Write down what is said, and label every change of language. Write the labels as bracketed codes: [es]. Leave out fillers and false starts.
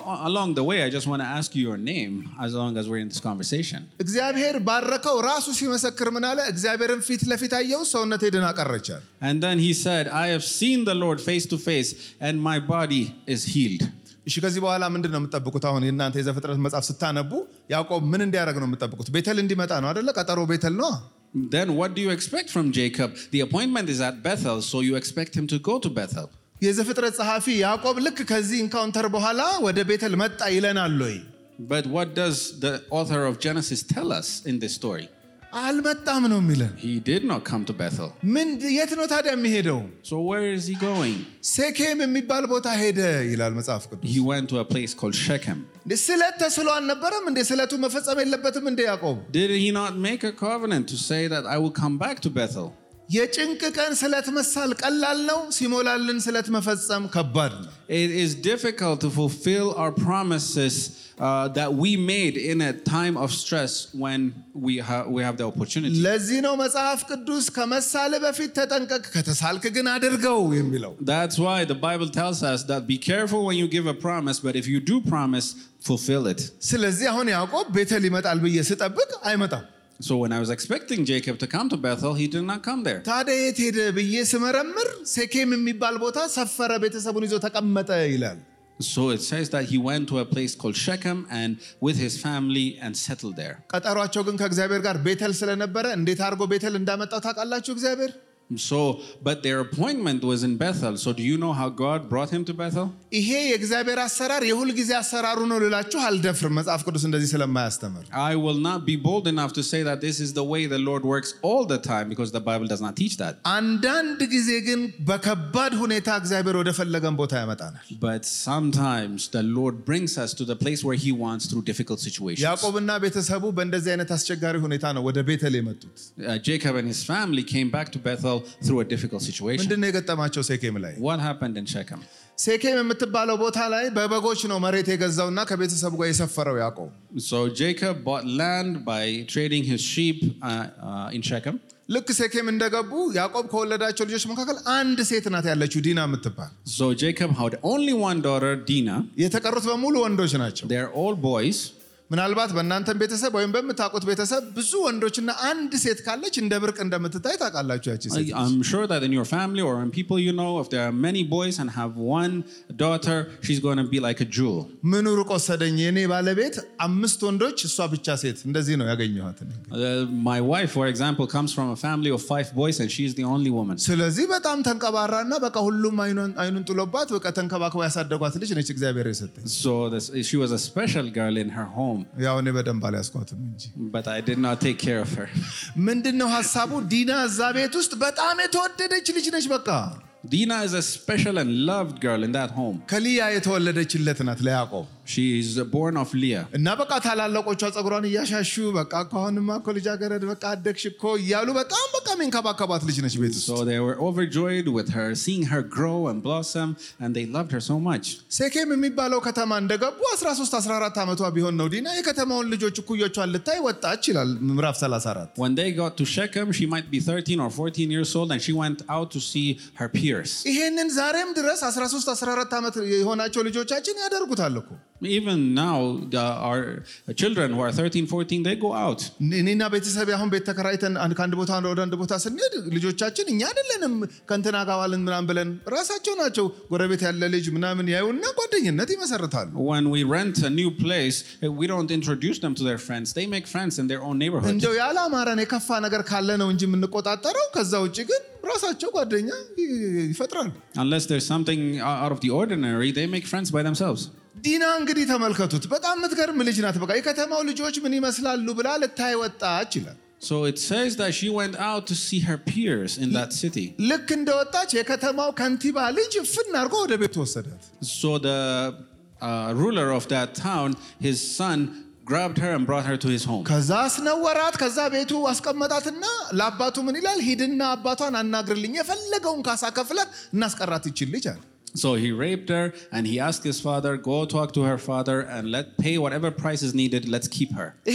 [en] along the way, I just want to ask you your name as long as we're in this conversation. [am] እግዚአብሔር ባረከው ራሱ ሲመሰክር ምን አለ እግዚአብሔርን ፊት ለፊት አየው ሰውነቴ ደና ቀረጨ. [en] And then he said, I have seen the Lord face to face and my body is healed. [am] እሺ ከዚህ በኋላ ምንድነው የምትጠብቁት አሁን እናንተ የዘፍጥረት መጽሐፍ ስታነቡ ያዕቆብ ምን እንዲያረግ ነው የምትጠብቁት ቤተል እንዲመጣ ነው አይደለ ቀጠሮ ቤተል ነው. [en] Then what do you expect from Jacob? The appointment is at Bethel, so you expect him to go to Bethel. [am] የዘፍጥረት ጸሐፊ ያዕቆብ ልክ ከዚህ ኢንካውንተር በኋላ ወደ ቤተል መጣ ይለናል ወይ? [en] But what does the author of Genesis tell us in this story? [am] አልመጣም ነው የሚለን. [en] He did not come to Bethel. [am] ምን የት ነው ታዲያ የሚሄደው? [en] So where is he going? [am] ሴኬም የሚባል ቦታ ሄደ ይላል መጽሐፍ ቅዱስ. [en] He went to a place called Shechem. [am] ለስለት ተስሎ አልነበረም እንዴ ስለቱ መፈጸም የለበትም እንዴ ያዕቆብ? [en] Did he not make a covenant to say that I will come back to Bethel? [am] የጭንቅ ቀን ስለት መሳል ቀላል ነው ሲሞላልን ስለት መፈጸም ከባድ ነው. [en] It is difficult to fulfill our promises that we made in a time of stress when we have the opportunity. [am] ለዚህ ነው መጽሐፍ ቅዱስ ከመሳል በፊት ተጠንቀቅ ከተሳልክ ግን አድርገው የሚለው. [en] That's why the Bible tells us that be careful when you give a promise, but if you do promise, fulfill it. [am] ስለዚህ አሁን ያዕቆብ ቤተል ይመጣል ብዬ ስጠብቅ አይመጣም. [en] So when I was expecting Jacob to come to Bethel, he did not come there. [am] ታዴት ሄደ ብዬ ስመረምር ሴኬም የሚባል ቦታ ሰፈረ ቤተሰቡን ይዞ ተቀመጠ ይላል. [en] So it says that he went to a place called Shechem and with his family and settled there. [am] ቀጠሯቸው ግን ከእግዚአብሔር ጋር ቤተል ስለነበረ እንዴት አርጎ ቤተል እንዳመጣው ታቃላችሁ እግዚአብሔር? [en] So but their appointment was in Bethel. So do you know how God brought him to Bethel? [am] ይሄ የእግዚአብሔር አሰራር የሁሉ ጊዜ አሰራሩ ነው ልላችሁ አልደፍር መጽሐፍ ቅዱስ እንደዚህ ስለማያስተምር. [en] I will not be bold enough to say that this is the way the Lord works all the time because the Bible does not teach that. [am] አንዳንድ ጊዜ ግን በከባድ ሁኔታ እግዚአብሔር ወደ ፈለገን ቦታ ያመጣናል. [en] But sometimes the Lord brings us to the place where he wants through difficult situations. [am] ያዕቆብና ቤተሰቡ በእንደዚህ አይነት አስቸጋሪ ሁኔታ ነው ወደ ቤተል የመጡት. [en] Jacob and his family came back to Bethel through a difficult situation. [am] ምን እንደገጠማቸው ሴኬም ላይ? [en] What happened in Shechem? [am] ሴኬም የምትባለው ቦታ ላይ በበጎች ነው መሬት የገዛውና ከቤተሰቡ ጋር የሰፈረው ያዕቆብ. [en] So Jacob bought land by trading his sheep in Shechem. [am] ልክ ሴኬም እንደገቡ ያዕቆብ ከወለዳቸው ልጆች መካከል አንድ ሴት ናት ያለችው ዲና የምትባል. [en] So Jacob had only one daughter, Dina. [am] የተቀሩት በሙሉ ወንዶች ናቸው. [en] They are all boys. [am] ምናልባት በእናንተም ቤተሰብ ወይም በምታቆት ቤተሰብ ብዙ ወንዶችና አንድ ሴት ካለች እንደ ብርቅ እንደምትታይ ታቃላችሁ ያቺ ሴት. [en] I'm sure that in your family or in people you know if there are many boys and have one daughter she's going to be like a jewel. [am] ምን ሩቆ ሰደኝ እኔ ባለቤት አምስት ወንዶች እሷ ብቻ ሴት እንደዚህ ነው ያገኘኋት. [en] My wife for example comes from a family of five boys and she's the only woman. [am] ስለዚህ በጣም ተንከባራና በቃ ሁሉም አይኑን ጥሎባት በቃ ተንከባክባ ያሳደጓት ልጅ ነች እግዚአብሔር የሰጠኝ. [en] So she was a special girl in her home. [am] ያው እኔ በደንብ ባላስቆጥም እንጂ. [en] But I did not take care of her. [am] ምንድነው ሐሳቡ ዲና እዛ ቤት ውስጥ በጣም የተወደደች ልጅ ነች በቃ. [en] Dina is a special and loved girl in that home. [am] ከሊያ የተወለደችለት ናት ለያዕቆብ. [en] She is born of Leah. [am] እና በቃ ታላላቆቿ ጸጉሯን ያሻሹ በቃ ከሆነማ ኮሌጅ አገረድ በቃ አደክሽኮ ያሉ በጣም በቃ መንከባከባት ልጅ ነች ቤት ውስጥ. [en] So they were overjoyed with her seeing her grow and blossom and they loved her so much. [am] ሴኬም የሚባለው ከተማ እንደገቡ 13 14 አመቷ ቢሆን ነው ዲና የከተማውን ልጆች እኩዮቿን ልታይ ወጣች ይላል ምዕራፍ 34. [en] When they got to Shechem she might be 13 or 14 years old and she went out to see her peers. [am] ይሄንን ዛሬም ድረስ 13 14 አመት የሆናቸው ልጆቻችን ያደርጉታል እኮ. [en] Even now our children who are 13 14 they go out. [am] ኒና በተሰብ ያሁን በተከራይተን አንድ ካንድ ቦታ አንድ ወደ አንድ ቦታ ስንሄድ ልጆቻችን እኛ አይደለንም ከንተና ጋዋልን ምናን ብለን ራሳቸው ናቸው ጎረቤት ያለ ልጅ ምናምን ያዩና ጓደኝነት ይመሰርታሉ. [en] When we rent a new place we don't introduce them to their friends, they make friends in their own neighborhood. [am] እንደው ያለ አማራን የከፋ ነገር ካለ ነው እንጂ ምን ቆጣጣረው ከዛ ውጪ ግን ራሳቸው ጓደኛ ይፈጥራሉ. [en] Unless there's something out of the ordinary they make friends by themselves. [am] ዲና እንግዲህ ተመልከቱት በጣም ምትገርም ልጅ ናት በቃ የከተማው ልጆች ምን ይመስላሉ ብላ ለታይ ወጣች ይላል [en] So it says that she went out to see her peers in that city. [am] ልክ እንደወጣች የከተማው ከንቲባ ልጅ ፍን አርጎ ወደ ቤት ወሰደት [en] So the ruler of that town his son grabbed her and brought her to his home. [am] ከዛስ ነወራት ከዛ ቤቱ አስቀመጣትና ለአባቱ ምን ይላል ሂድና አባቷን አናግርልኝ የፈለገውን ካሳ ከፍለህ እናስቀራት ይችል ልጅ አለ [en] So he raped her and he asked his father, go talk to her father and let pay whatever price is needed, let's keep her.